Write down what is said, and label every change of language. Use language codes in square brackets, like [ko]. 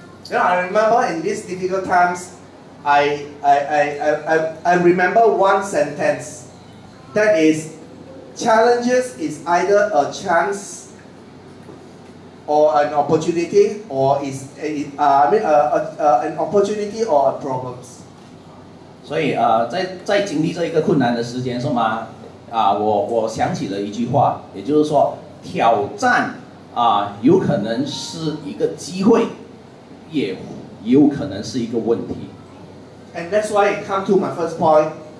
[en] You know, I remember in these difficult times, I remember one sentence, that is, challenges is either a chance or an opportunity or an opportunity or a problems. [zh] 所以在经历这一个困难的时间是吗？我想起了一句话，也就是说，挑战有可能是一个机会，也有可能是一个问题。 [en] And that's why it comes to my first point.